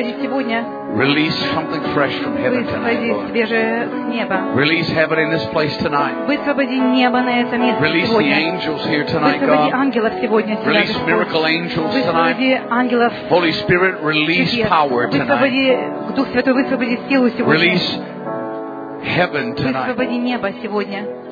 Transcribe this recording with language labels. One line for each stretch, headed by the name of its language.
English: Release something fresh from heaven tonight, God. Release heaven in this place tonight.
Russian: Высвободи небо на это место.
English: Release the angels here tonight, God.
Russian: Высвободи ангелов сегодня.
English: Release miracle angels tonight.
Russian: Высвободи ангелов.
English: Holy Spirit, release power tonight.
Russian: Высвободи Дух Святой, высвободи силу сегодня.
English: Release heaven tonight.
Russian: Высвободи небо сегодня.